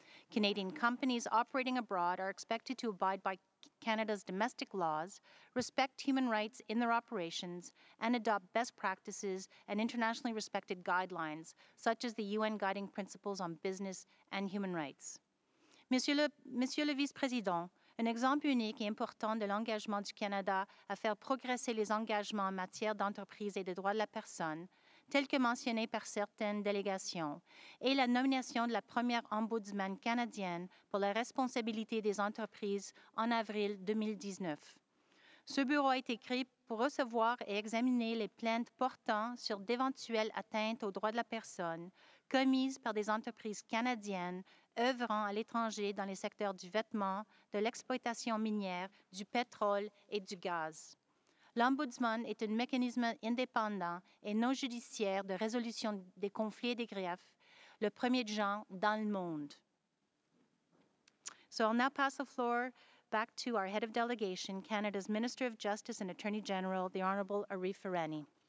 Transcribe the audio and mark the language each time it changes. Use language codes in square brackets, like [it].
[en] Canadian companies operating abroad are expected to abide by Canada's domestic laws, respect human rights in their operations, and adopt best practices and internationally respected guidelines, such as the UN Guiding Principles on Business and Human Rights. [fr] Monsieur le Vice-Président, un exemple unique et important de l'engagement du Canada à faire progresser les engagements en matière d'entreprise et de droits de la personne, tel que mentionné par certaines délégations, et la nomination de la première ombudsman canadienne pour la responsabilité des entreprises en avril 2019. Ce bureau a été créé pour recevoir et examiner les plaintes portant sur d'éventuelles atteintes aux droits de la personne commises par des entreprises canadiennes œuvrant à l'étranger dans les secteurs du vêtement, de l'exploitation minière, du pétrole et du gaz. L'Ombudsman est un mécanisme indépendant et non judiciaire de résolution des conflits et des griefs, le premier de genre dans le monde. [en] So I'll now pass the floor back to our head of delegation, Canada's Minister of Justice and Attorney General, the Honorable Arif Irani.